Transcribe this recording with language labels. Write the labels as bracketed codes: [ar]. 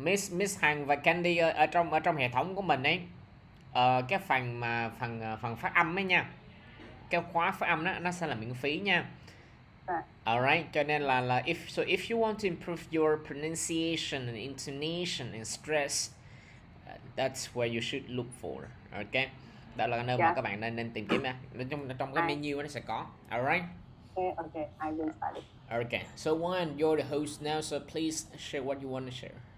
[vi] Miss Hằng và Candy ở trong hệ thống của mình ấy. Cái phần mà phần phát âm ấy nha, cái khóa phát âm đó nó sẽ là miễn phí nha. [en] Alright, [vi] cho nên là [en] if you want to improve your pronunciation and intonation and stress, that's where you should look for. [vi] Okay, đó là nơi mà các bạn nên tìm kiếm nha. Trong cái menu nó sẽ có. Alright. [en] Okay, I will start it. Okay, so one, you're the host now, so please share what you want to share.